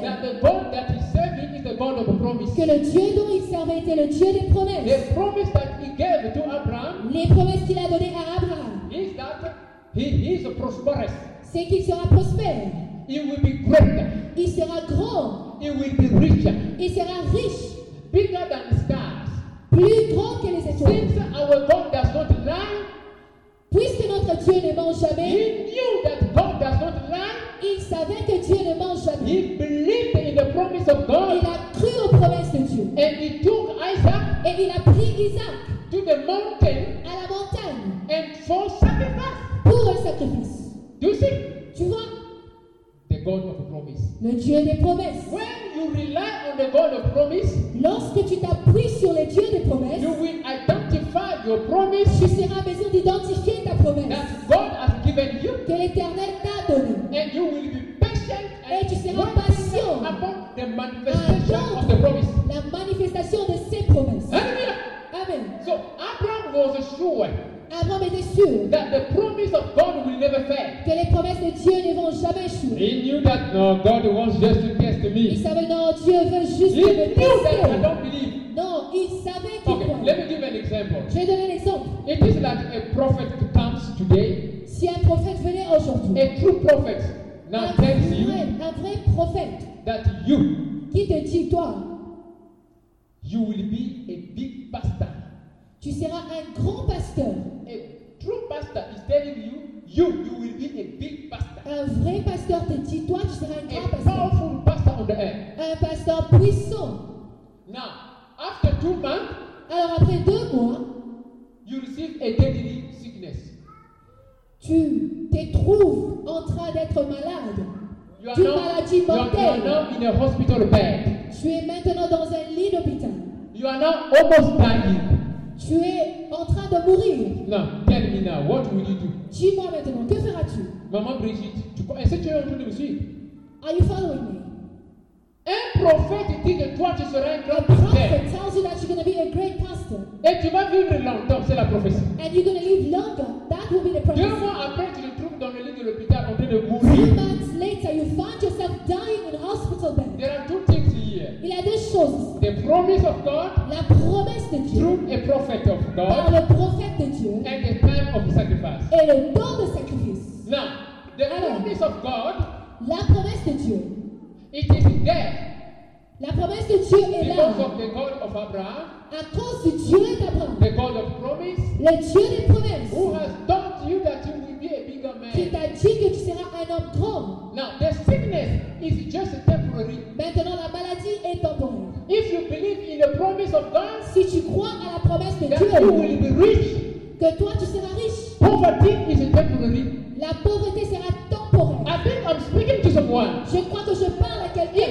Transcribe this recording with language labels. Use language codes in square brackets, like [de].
[en] that the God that he served is the God of promise. [fr] Que le Dieu dont il servait était le Dieu des promesses. [en] The promise that he gave to Abraham. [fr] Les promesses qu'il a données à Abraham. [en] Is that he is prosperous. [fr] C'est qu'il sera prospère. [en] He will be great. [fr] Il sera grand. [en] He will be rich. [fr] Il sera riche. [en] Bigger than the stars. [fr] Plus grand que les étoiles. [en] Since our God does not lie. [fr] Puisque notre Dieu ne ment jamais. [en] He knew that God does not lie. [fr] Il savait que Dieu ne ment jamais. [en] He believed in the promise of God. [fr] Il a cru aux promesses de Dieu. [en] And he took Isaac. [fr] Et il a pris Isaac. [en] To the mountain. [fr] À la montagne. [en] And for sacrifice. [fr] Pour un sacrifice. [en] You see? [fr] Tu vois? [en] The God of promise. [fr] Le Dieu des promesses. [en] When you rely on the God of promise. [fr] Lorsque tu t'appuies sur le Dieu des promesses. [en] You will identify your promise. [fr] Tu seras en mesure d'identifier ta promesse. [en] That God has given you. [fr] Que l'Éternel t'a donné. [en] And you will be patient. [fr] Et tu seras patient. [en] Upon the manifestation of the promise. [fr] La manifestation de ses promesses. [en] Amen. [fr] Amen. [en] So Abraham was sure. [fr] Abraham était sûr [en] that the promise of God will never fail. [fr] Que les promesses de Dieu ne vont jamais échouer. [en] He knew that no, God wants just to test me. [fr] Il savait non, Dieu veut juste [en] he me knew [fr] tester. [en] That I don't believe. [fr] Non, il savait qu'il [en] okay, [fr] croit. [en] Let me give an example. [fr] Je vais donner un exemple. [en] It is like a prophet comes today. [fr] Si un prophète venait aujourd'hui. [en] A true prophet now tells you. [fr] Un vrai prophète. [en] That you. [fr] Qui te dit toi? [en] You will be a big pastor. [fr] Tu seras un grand pasteur. [en] A true pastor is telling you, you will be a big pastor. [fr] Un vrai pasteur te dit, toi, tu seras un grand [en] a [fr] pasteur. [en] Powerful pastor on the earth. [fr] Un pasteur puissant. [en] Now, after 2 months, [fr] alors après 2 mois, [en] you receive a deadly sickness. [fr] Tu te trouves en train d'être malade. Tu as maladie mortelle. [en] You are now in a hospital bed. [fr] Tu es maintenant dans un lit d'hôpital. [en] You are now almost dying. [fr] Tu es en train de mourir. [en] Now, tell me now, what will you do? [fr] Dis-moi maintenant, que feras-tu? Maman Brigitte, est-ce que tu es en train de me suivre? [en] Are you following me? [fr] Un prophète dit que toi tu seras un grand [en] pasteur. A prophet tells you that you're going to be a great pastor. [fr] Et tu vas vivre longtemps, c'est la prophétie. [en] And you're going to live longer, that will be the prophecy. [fr] 2 mois après, tu te trouves dans le lit de l'hôpital en train de mourir. [en] 2 months later, you find yourself dying in a hospital bed. There are 2 things here. [fr] Il y a 2 choses. [en] The promise of God. [fr] La promesse de Dieu. [en] Through a prophet of God. [fr] Par le prophète de Dieu. [en] And the time of sacrifice. [fr] Et le temps de sacrifice. [en] Now, the promise of God. [fr] La promesse de Dieu. [en] It is there. [fr] La promesse de Dieu est là. [en] Because of the God of Abraham. [fr] À cause du Dieu d'Abraham. [en] The God of promise. [fr] Le Dieu des promesses. [en] Who has taught you that you will be a bigger man. [fr] Qui t'a dit que tu seras un homme grand. [en] Now, the sickness is just temporary. [fr] Maintenant, la maladie est temporaire. [en] If you believe in the promise of God. [fr] Si tu crois à la promesse de [en] that [fr] Dieu. [en] That you will be rich. [fr] Que toi, tu seras riche. [en] Poverty is temporary. [fr] La pauvreté sera temporaire. [en] I think I'm speaking to someone. [fr] Je crois que je parle à quelqu'un.